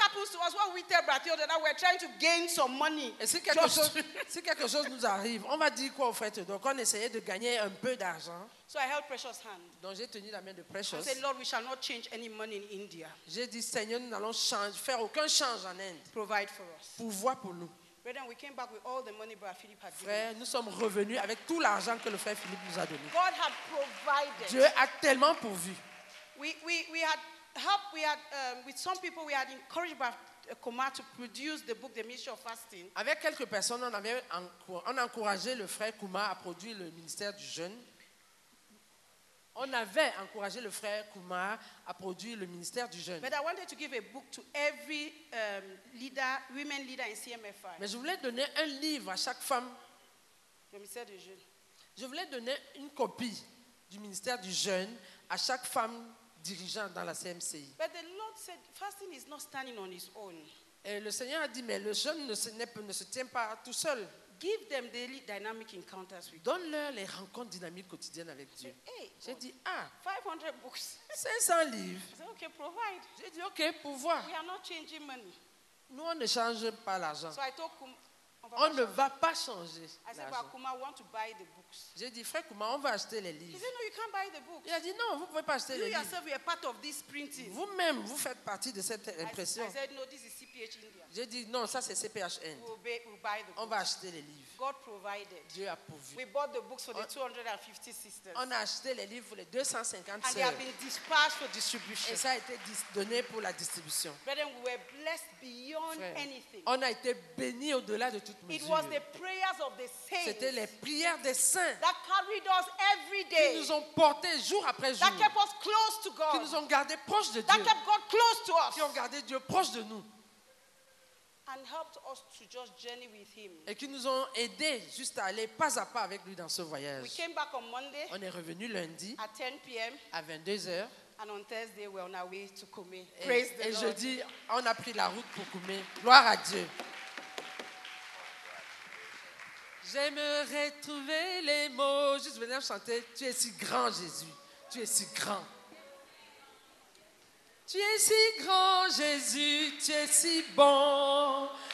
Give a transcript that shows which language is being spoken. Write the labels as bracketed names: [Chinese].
[English] happens to us, what we tell Brother Theodore, we're trying to gain some money. [French] Et si quelque, chose, si quelque chose nous arrive, on va dire quoi au frère? Donc, on essayait de gagner un peu d'argent. [English] So I held Precious' hand. [French] Donc, j'ai tenu la main de Precious. [English] I said, Lord, we shall not change any money in India. [French] J'ai dit, Seigneur, nous n'allons changer, faire aucun change en Inde. [English] Provide for us. [French] Pourvoir pour nous. [English] Brethren, we came back with all the money Brother Philip had given. [French] Frère, nous sommes revenus avec tout l'argent que le frère Philippe nous a donné. [English] God had provided. [French] Dieu a tellement pourvu. [English] We had help. We had with some people. We had encouraged Brother Kumar to produce the book, The Ministry of Fasting. [French] Avec quelques personnes, on a encouragé le frère Kumar à produire le ministère du jeûne. On avait encouragé le frère Kumar à produire le ministère du jeûne. [English] But I wanted to give a book to every leader, women leader in CMFI. [French] Mais je voulais donner un livre à chaque femme. Le ministère du jeûne. Je voulais donner une copie du ministère du jeûne à chaque femme dirigeante dans la CMCI. [English] But the Lord said, fasting is not standing on its own. [French] Et le Seigneur a dit, mais le jeûne ne se tient pas tout seul. [English] Give them daily dynamic encounters with. [French] Donne-leur les rencontres dynamiques quotidiennes avec Dieu. [English] Hey, [French] j'ai dit, ah, [English] 500 books. [French] 500 livres. [English] I said, okay, provide. [French] J'ai dit, ok, pourvoir. [English] We are not changing money. [French] Nous, on ne change pas l'argent. [English] So I told Kuma, [French] on ne va pas changer. [English] I said, but Kuma, want to buy the books. [French] J'ai dit, frère Kuma, on va acheter les livres. [English] He said, no, you can't buy the books. [French] Il a dit, non, vous ne pouvez pas acheter [English] you [French] les livres. [English] You yourself are part of this printing. [French] Vous-même, vous faites partie de cette impression. [English] I said, no, this is CPH India. [French] J'ai dit, non, ça c'est CPHN. [English] We'll [French] on va acheter les livres. [English] God provided. [French] Dieu a pourvu. [English] We bought the books for the 250 sisters. [French] On a acheté les livres pour les 250 [English] sœurs. And they have been dispatched for distribution. [French] Et ça a été donné pour la distribution. [English] But then we were blessed beyond [French] frère, [English] anything. [French] On a été bénis au-delà de toute mesure. [English] It was the prayers of the saints. [French] C'était les prières des saints [English] that carried us every day. [French] Qui nous ont portés jour après jour. [English] That kept us close to God. [French] Qui nous ont gardés proches de [English] that [French] Dieu. [English] That kept God close to us. [French] Qui ont gardé Dieu proche de nous. [English] And helped us to just journey with him. [French] Et qui nous ont aidés juste à aller pas à pas avec lui dans ce voyage. [English] We came back on Monday. [French] On est revenu lundi. [English] At 10 p.m. [French] À 22 heures. [English] And on Thursday we're on our way to Kume. Praise the Lord. [French] Et jeudi on a pris la route pour Kume. Gloire à Dieu. J'aimerais trouver les mots juste venir chanter. Tu es si grand Jésus. Tu es si grand. Tu es si grand, Jésus, tu es si bon.